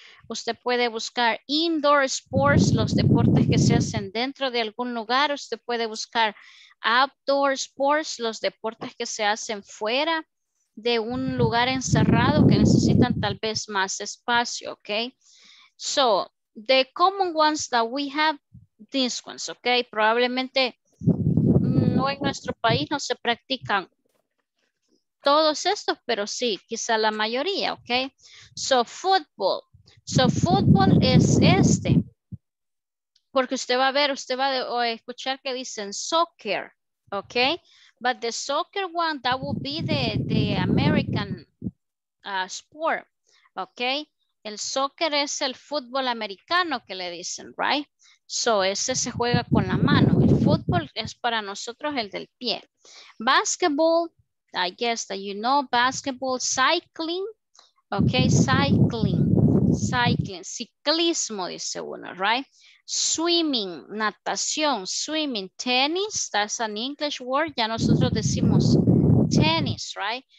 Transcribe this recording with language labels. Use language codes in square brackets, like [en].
[es] Usted puede buscar indoor sports, los deportes que se hacen dentro de algún lugar. Usted puede buscar outdoor sports, los deportes que se hacen fuera de un lugar encerrado que necesitan tal vez más espacio, okay? [en] So, the common ones that we have, these ones, okay? [es] Probablemente no en nuestro país no se practican todos estos, pero sí, quizá la mayoría, okay? [en] So, football. So, football [es] es este. Porque usted va a ver, usted va a escuchar que dicen soccer, okay? [en] But the soccer one, that will be the American sport, okay? [es] El soccer es el fútbol americano que le dicen, right? So, ese se juega con la mano. El fútbol es para nosotros el del pie. [en] Basketball, I guess that you know, basketball, cycling, okay? Cycling, ciclismo, dice uno, right? Swimming, natación, swimming, tennis, that's an English word, [es] ya nosotros decimos [en] tennis, right?